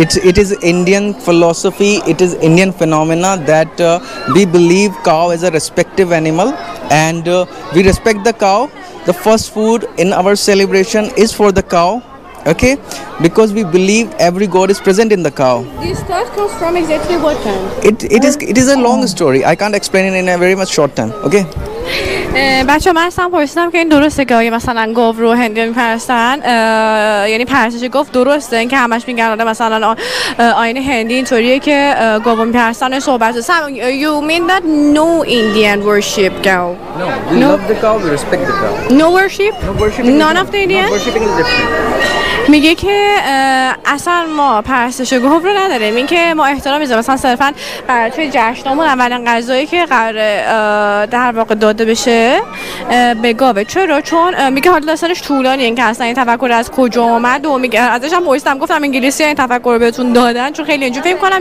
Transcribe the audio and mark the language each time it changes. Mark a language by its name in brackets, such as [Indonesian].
[English] It is Indian philosophy. It is Indian phenomena that we believe cow is a respective animal, and we respect the cow. The first food in our celebration is for the cow. Okay, because we believe every god is present in the cow. This thought comes from exactly what time? It is a long story. I can't explain it in a very much short time. Okay. [Persian] بچه من اصلا پرسیدم که این درسته که آیا مثلا گاو رو هندی ها میپرستن، یعنی پرستش گفت درسته، این که همش میگن آره مثلا آینه هندی اینطوریه که گاو رو میپرستن. این صحبت سم [English] you mean that no Indian worship cow? No, we love the cow, we respect the cow. No worship? None of the Indian? Not worshiping is different. [Persian] میگه که اصلا ما پرستش گاو رو نداریم، این که ما احترام میذاریم مثلا صرفا توی جشنمون اولین غذایی که قرار در واقع داده بشه به گاوه. چرا؟ چون میگه حالا داستانش طولانیه که اصلا این تفکر از کجا اومد، و میگه ازش هم پرسیدم گفتم انگلیسی این تفکر رو بهتون دادن، چون خیلی اینجوری فکر کنم.